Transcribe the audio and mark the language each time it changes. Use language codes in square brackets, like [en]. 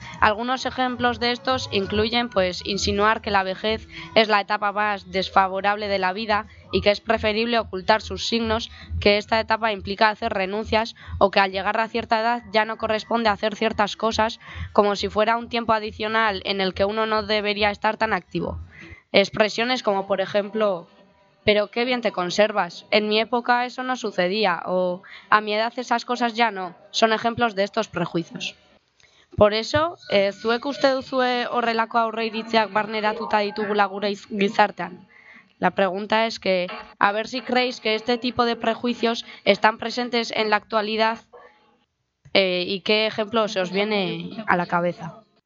[es] Algunos ejemplos de estos incluyen, pues, insinuar que la vejez es la etapa más desfavorable de la vida y que es preferible ocultar sus signos, que esta etapa implica hacer renuncias o que al llegar a cierta edad ya no corresponde hacer ciertas cosas, como si fuera un tiempo adicional en el que uno no debería estar tan activo. Expresiones como, por ejemplo, pero qué bien te conservas, en mi época eso no sucedía, o a mi edad esas cosas ya no, son ejemplos de estos prejuicios. Por eso, [eu] zuek uste duzue horrelako aurreiritziak barneratuta ditugula gure gizartean. [es] La pregunta es que, a ver si creéis que este tipo de prejuicios están presentes en la actualidad y qué ejemplo se os viene a la cabeza.